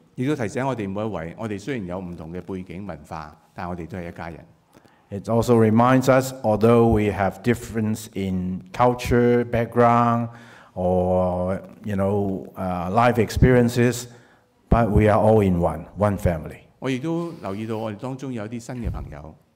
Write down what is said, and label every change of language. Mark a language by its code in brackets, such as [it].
[yue] 亦都提醒我哋每一位，我哋雖然有唔同嘅背景文化，但係我哋都係一家人。 [en] It also reminds us, although we have difference in culture, background, or you know, life experiences, but we are all in one family. [yue] 我亦都留意到我哋當中有啲新嘅朋友。